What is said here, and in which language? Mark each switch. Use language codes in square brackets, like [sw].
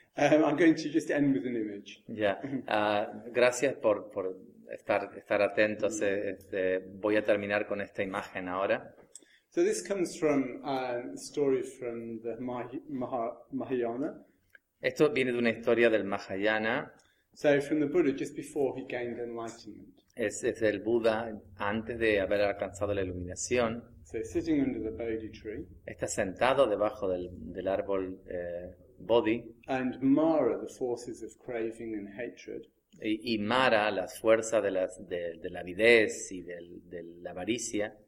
[en] I'm going to just end with an image. [es] Yeah, gracias por estar atentos. Voy a terminar con esta imagen ahora. [en] So this comes from a story from the Mahayana. [es] Esto viene de una historia del Mahayana. [en] So from the Buddha, just before he gained enlightenment. [es] Es del Buda antes de haber alcanzado la iluminación. [en] So sitting under the Bodhi tree. [es] Está sentado debajo del árbol Bodhi. [en] And Mara, the forces of craving and hatred. [es] Y Mara, la fuerza de la avidez y de la avaricia.